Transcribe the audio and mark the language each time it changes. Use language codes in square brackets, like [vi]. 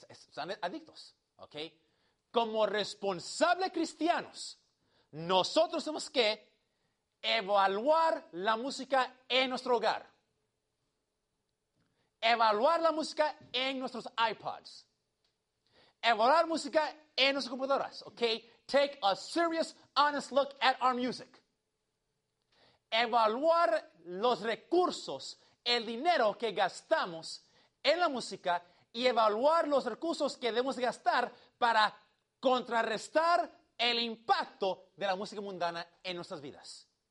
[es] Son adictos, ¿ok? Como responsables cristianos, nosotros tenemos que evaluar la música en nuestro hogar. Evaluar la música en nuestros iPods. Evaluar música en nuestras computadoras, ¿ok? [en] Take a serious, honest look at our music. [es] Evaluar los recursos, el dinero que gastamos en la música y evaluar los recursos que debemos gastar para contrarrestar el impacto de la música mundana en nuestras vidas.